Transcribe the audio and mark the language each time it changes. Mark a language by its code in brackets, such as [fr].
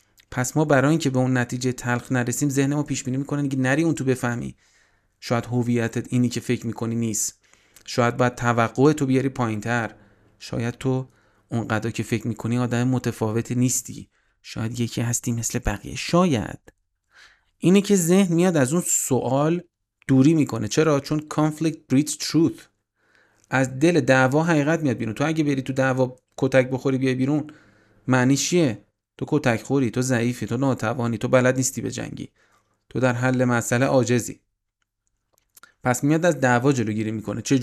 [fa] پس ما برای اینکه به اون نتیجه تلخ نرسیم، ذهن ما پیش بینی میکنه که نری اون تو بفهمی، شاید هویتت اینی که فکر میکنی نیست، شاید باید توقع تو بیاری پایینتر، شاید تو اونقدر که فکر میکنی آدم متفاوتی نیستی، شاید یکی هستی مثل بقیه. شاید اینی که ذهن میاد از اون سوال دوری میکنه. چرا؟ چون [en] conflict breeds truth. [fa] از دل دعوا حقیقت میاد بیرون. تو اگه بری تو دعوا کتک بخوری بیای بیرون، معنیش چیه؟ تو کتک خوری، تو ضعیفی، تو ناتوانی، تو بلد نیستی به جنگی، تو در حل مسئله عاجزی. پس میاد از دعوا جلوگیری میکنه.